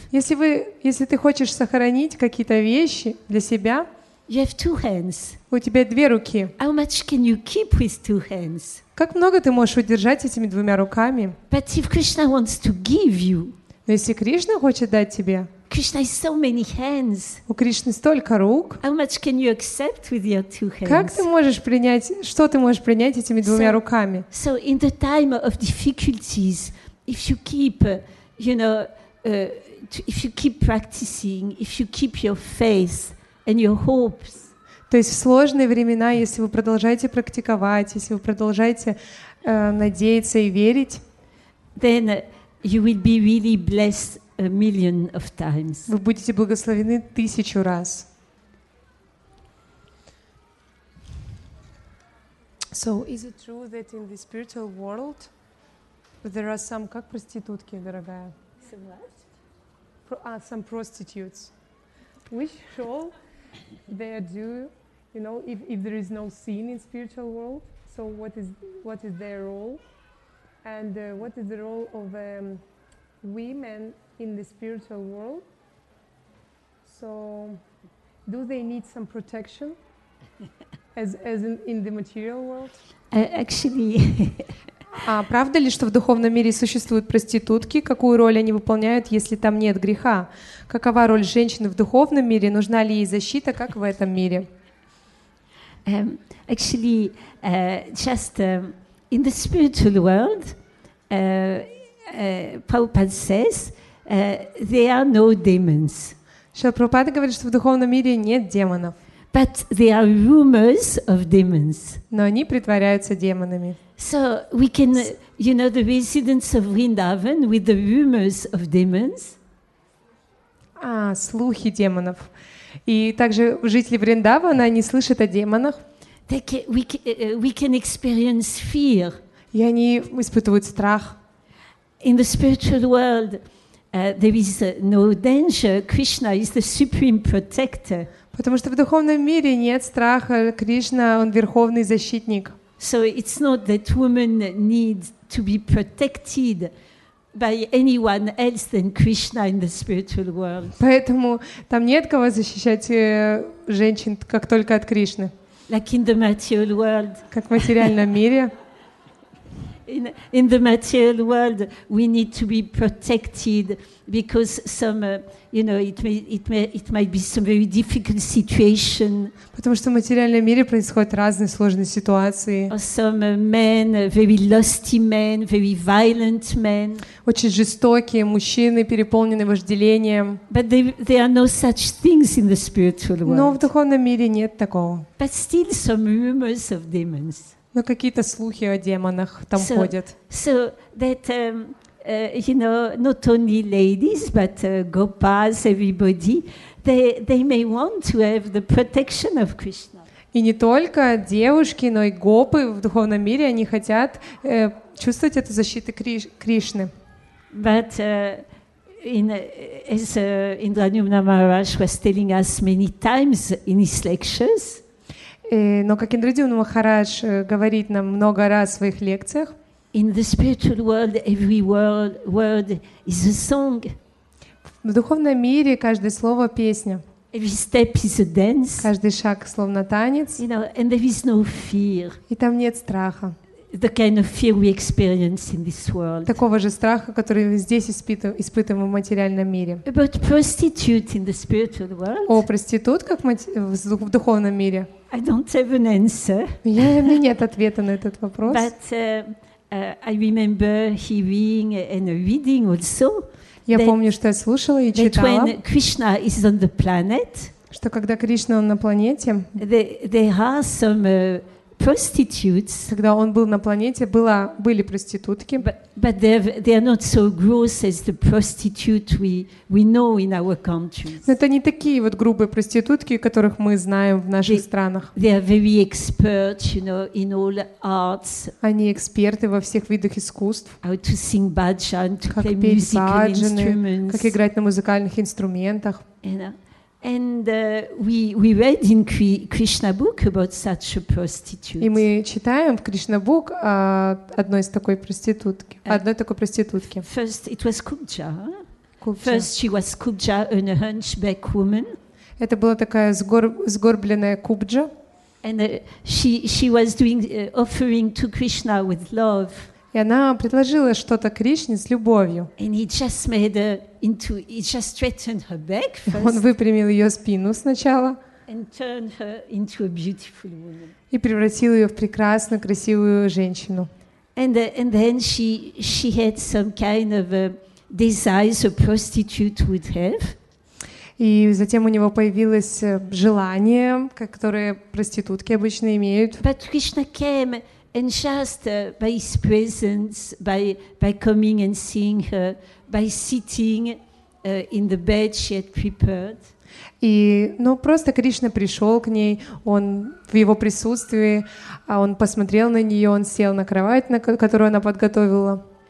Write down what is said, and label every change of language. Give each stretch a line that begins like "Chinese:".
Russian: Если ты хочешь сохранить какие-то вещи для себя,
English: you have two hands.
Russian: У тебя две руки.
English: How much can you keep with two hands?
Russian: Как много ты можешь удержать этими двумя руками?
English: But if Krishna wants to give you,
Russian: но если Кришна хочет дать тебе,
English: Krishna has so many hands.
Russian: У Кришны столько рук.
English: How much can you accept with your two hands?
Russian: Как ты можешь принять, что ты можешь принять этими двумя руками?
English: So in the time of difficulties, if you keep, you know, if you keep practicing, if you keep your faith and your hopes.
Russian: То есть в сложные времена, если вы продолжаете практиковать, если вы продолжаете надеяться и верить,
English: then you will be really blessed a million of times.
Russian: Вы будете благословены тысячу раз.
English: So is it true that in the spiritual world there are some,
Russian: как проститутки, дорогая?
English: Some prostitutes. Which role they do? You know, if there is no sin in spiritual world, so what is their role, and what is the role of women in the spiritual world? So, do they need some protection, as in the material world? Actually.
Russian: А правда ли, что в духовном мире существуют проститутки? Какую роль они выполняют, если там нет греха? Какова роль женщины в духовном мире? Нужна ли ей защита, как в этом мире?
English: Actually, just in the spiritual world, Prabhupada says there are no demons.
Russian: Шрила Прабхупада говорит, что в духовном мире нет демонов.
English: But there are rumors of demons.
Russian: Но они притворяются демонами.
English: So we can, you know, the residents of Vrindavan with the rumors of demons.
Russian: А слухи демонов. И также жители Вриндавана, они слышат о демонах.
English: We can experience fear.
Russian: И они испытывают страх.
English: In the spiritual world, there is no danger. Krishna is the supreme protector.
Russian: Потому что в духовном мире нет страха. Кришна, он верховный защитник.
English: So it's not that women need to be protected by anyone else than Krishna in the spiritual world.
Russian: Поэтому там нет кого защищать женщин, как только от Кришны.
English: Like in the material world.
Russian: Как в материальном мире.
English: In the material world, we need to be protected because some, you know, it might be some very difficult situation.
Russian: Потому что в материальном мире происходят разные сложные ситуации.
English: Some men, very lusty men, very violent men.
Russian: Очень жестокие мужчины, переполненные вожделением.
English: But there are no such things in the spiritual world.
Russian: Но в духовном мире нет такого.
English: But still some rumors of demons.
Russian: Но какие-то слухи о демонах там ходят.
English: So that you know, not only ladies, but gopas, everybody, they may want to have the protection of Krishna.
Russian: И не только девушки, но и гопы в духовном мире, они хотят чувствовать эту защиту Кришны.
English: But Indranyumna Maharaj was telling us many times in his lectures.
Russian: Но как Индрадьюмна Махарадж говорит нам много раз в своих лекциях,
English: in the spiritual world, every word is a song.
Russian: В духовном мире каждое слово — песня.
English: Every step is a dance.
Russian: Каждый шаг — словно танец.
English: You know, and there is no fear.
Russian: И там нет страха.
English: The kind of fear we experience in this world.
Russian: Такого же страха, который мы здесь испытываем в материальном мире.
English: About prostitute in the spiritual world.
Russian: О, проститутка в духовном мире.
English: I don't have an answer.
Russian: У меня нет ответа на этот вопрос.
English: But I remember hearing and reading also.
Russian: Я помню, что я слушала и читала.
English: That when Krishna is on the planet.
Russian: Что когда Кришна на планете.
English: There are some prostitutes.
Russian: Когда он был на планете, были проститутки.
English: But they are not so gross as the prostitute we know in our countries.
Russian: Но это не такие вот грубые проститутки, которых мы знаем в наших странах.
English: They are very expert, you know, in all arts.
Russian: Они эксперты во всех видах искусств.
English: How to sing bhajan, to play musical instruments.
Russian: Как играть на музыкальных инструментах.
English: And we read in Krishna book about such a prostitute.
Russian: И мы читаем в Krishna book о одной из такой проститутки, одной такой проститутки.
English: First it was Kubja.
Russian: Kubja.
English: First she was Kubja, a hunchback woman.
Russian: Это была такая сгорбленная Кубджа.
English: And she was doing offering to Krishna with love.
Russian: И она предложила что-то Кришне с любовью.
English: And he just made he just straightened her back first.
Russian: Он выпрямил ее спину сначала.
English: And turned her into a beautiful woman.
Russian: И превратил ее в прекрасную, красивую женщину.
English: And then she had some kind of desires a prostitute would have.
Russian: И затем у него появилось желание, которое проститутки обычно имеют.
English: But Krishna came. And just by his presence, by coming and seeing her, by sitting in the bed she had prepared.
Russian: И, ну, просто Кришна пришел к ней, он в его присутствии, а он посмотрел на нее, он сел на кровать, которую она подготовила.